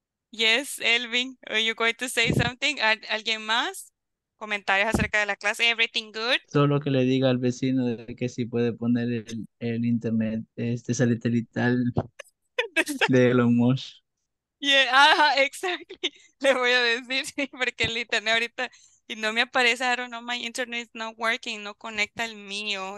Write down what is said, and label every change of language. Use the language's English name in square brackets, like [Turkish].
[English] Yes, Elvin, are you going to say something? [Spanish] ¿Alguien más? Comentarios acerca de la clase, [English] everything good. [Spanish] Solo que le diga al vecino de que si puede poner el internet satelital de Elon Musk. [English] Yeah, ajá, exactly. [Spanish] Le voy a decir, sí, porque el internet ahorita y no me aparece. [English] I don't know, my internet is not working, [Spanish] no conecta el mío.